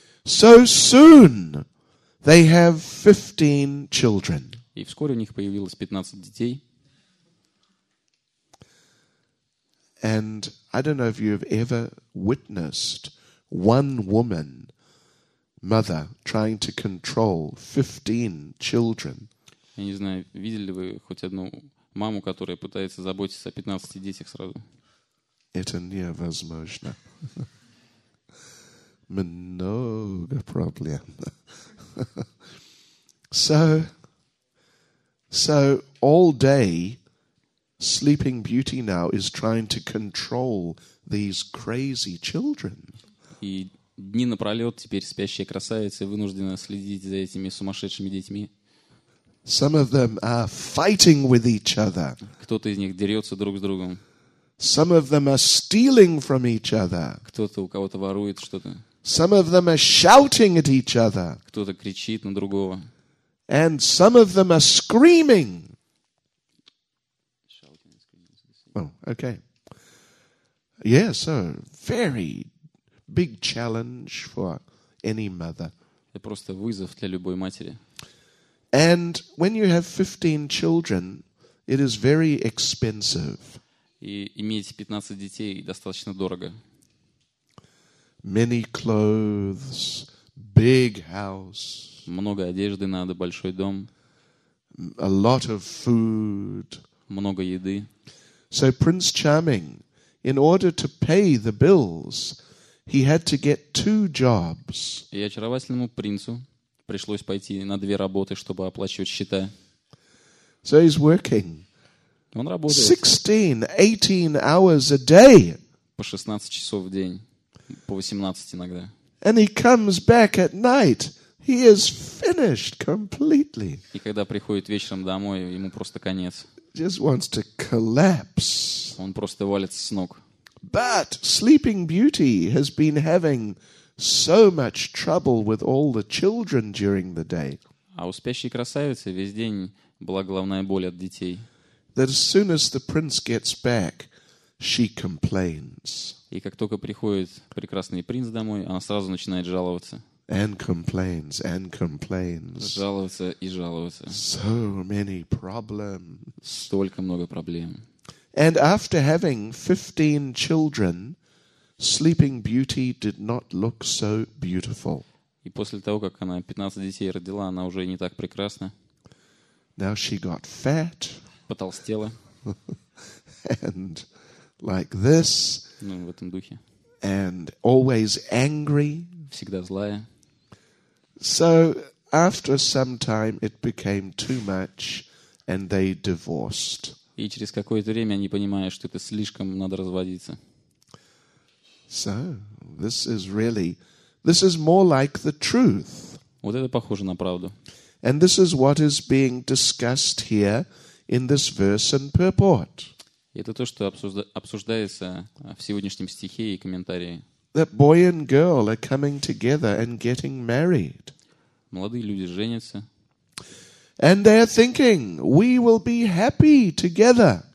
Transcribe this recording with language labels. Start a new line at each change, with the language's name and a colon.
English: So soon they have 15 children.
Russian: И вскоре у них появилось 15 детей.
English: And I don't know if you've ever witnessed one woman mother trying to control 15 children.
Russian: Я не знаю, видели ли вы хоть одну маму, которая пытается заботиться о 15 детях сразу. Это невозможно. Много проблем.
English: So all day Sleeping Beauty now is trying to control these crazy children.
Russian: И дни напролет теперь спящая красавица вынуждена следить за этими сумасшедшими детьми.
English: Some of them are fighting with each other.
Russian: Кто-то из них дерется друг с другом.
English: Some of them are stealing from each other.
Russian: Кто-то у кого-то ворует что-то.
English: Some of them are shouting at each other.
Russian: Кто-то кричит на другого.
English: And some of them are screaming. Oh, okay. Yeah, so very big challenge for any mother.
Russian: Это просто вызов для любой матери.
English: And when you have 15 children, it is very expensive.
Russian: И иметь 15 детей достаточно дорого.
English: Many clothes, big house.
Russian: Много одежды надо, большой дом.
English: A lot of food.
Russian: Много еды.
English: So Prince Charming, in order to pay the bills, he had to get two jobs.
Russian: И очаровательному принцу пришлось пойти на две работы, чтобы оплачивать счета.
English: So he's working.
Russian: Он работает.
English: 16-18 hours a day.
Russian: По 16 часов в день, по 18 иногда.
English: And he comes back at night. He is finished completely.
Russian: И когда приходит вечером домой, ему просто конец.
English: Just wants to collapse.
Russian: Он просто валится с ног.
English: But Sleeping Beauty has been having so much trouble with all the children during the day.
Russian: А у спящей красавицы весь день была головная боль от детей.
English: That as soon as the prince gets back, she complains.
Russian: И как только приходит прекрасный принц домой, она сразу начинает жаловаться.
English: And complains, and complains.
Russian: Жаловаться и жаловаться.
English: So many problems.
Russian: Столько много проблем.
English: And after having 15 children, Sleeping Beauty did not look so beautiful.
Russian: И после того, как она 15 детей родила, она уже не так прекрасна.
English: Now she got fat.
Russian: Потолстела.
English: And like this.
Russian: Ну, в этом духе.
English: And always angry.
Russian: Всегда злая.
English: So after some time it became too much and they divorced.
Russian: И через какое-то время они понимают, что это слишком, надо разводиться.
English: So this is more like the truth.
Russian: Вот это похоже на правду.
English: And this is what is being discussed here in this verse and purport.
Russian: Это то, что обсуждается в сегодняшнем стихе и комментарии.
English: That boy and girl are coming together and getting married.
Russian: Молодые люди женятся.
English: And they are thinking, we will be happy together.